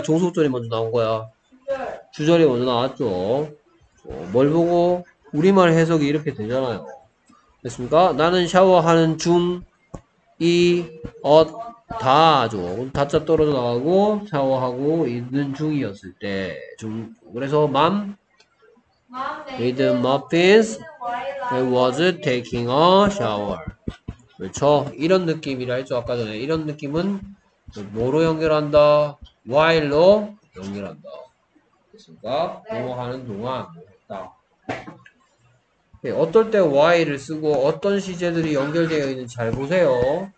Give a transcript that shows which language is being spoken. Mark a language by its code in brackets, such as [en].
[ko] 종속절이 먼저 나온 거야? 주절이 먼저 나왔죠. 뭘 보고? 우리말 해석이 이렇게 되잖아요. 됐습니까? 나는 샤워하는 중, 이, 엇, 다죠. 다짜 떨어져 나가고, 샤워하고 있는 중이었을 때. 중, 그래서, [en] mom made muffins and was taking a shower. [ko] 그렇죠. 이런 느낌이라 했죠. 아까 전에. 이런 느낌은 뭐로 연결한다? while로 연결한다. 됐습니까? 뭐 하는 동안 뭐 했다. 어떨 때 why를 쓰고 어떤 시제들이 연결되어 있는지 잘 보세요.